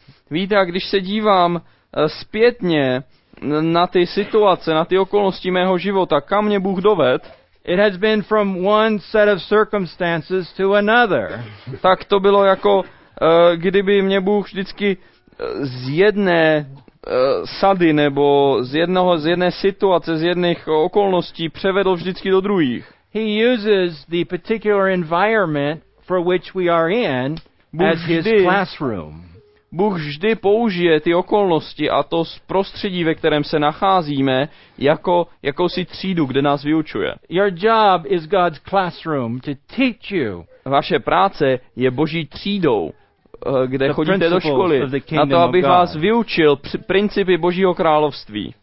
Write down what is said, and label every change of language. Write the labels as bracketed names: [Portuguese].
[Czech] Víte, když se dívám zpětně na ty situace, na ty okolnosti mého života, kam mě Bůh doved? [English] It has been from one set of circumstances to another. [Czech] Tak to bylo jako kdyby mě Bůh vždycky z jedné sady nebo z jedné situace, z jedných okolností převedl vždycky do druhých. [English] He uses the particular environment for which we are in as his classroom. [Czech] Bůh vždy použije ty okolnosti a to prostředí, ve kterém se nacházíme, jako jakousi třídu, kde nás vyučuje. [English] Your job is God's classroom to teach you. [Czech] Vaše práce je Boží třídou, kde chodíte do školy, na to, aby vás vyučil principy Božího království.